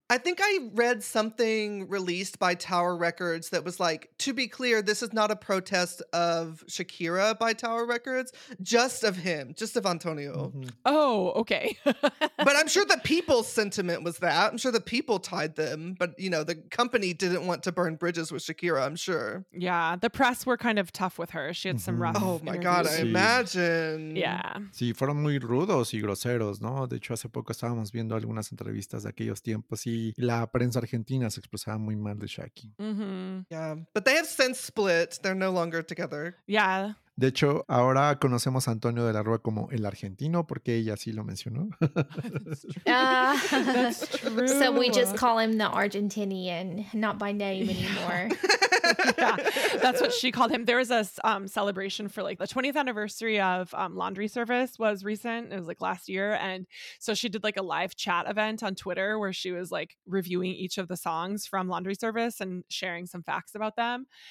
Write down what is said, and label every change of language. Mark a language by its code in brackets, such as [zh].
[en] I think I read something released by Tower Records that was like, to be clear, this is not a protest of Shakira by Tower Records, just of him, just of Antonio. Mm-hmm. Oh, okay. But I'm sure the people's sentiment was that. I'm sure the people tied them. But, you know, the company didn't want to burn bridges with Shakira, I'm sure. Yeah, the press were kind of tough with her. She had some rough interviews. Oh, my God, I imagine. Yeah. [es] Sí, fueron muy rudos y groseros, ¿no? De hecho, hace poco estábamos viendo algunas entrevistas de aquellos tiempos y la prensa argentina se expresaba muy mal de Shaki. Mm-hmm. [en] Yeah, but they have since split. They're no longer together. Yeah. [es] De hecho, ahora conocemos a Antonio de la Rúa como el argentino, porque ella sí lo mencionó. [en] That's true. So we just call him the Argentinian, not by name anymore. Yeah, that's what she called him. There was a celebration for like the 20th anniversary of Laundry Service was recent. It was like last year. And so she did like a live chat event on Twitter where she was like reviewing each of the songs from Laundry Service and sharing some facts about them.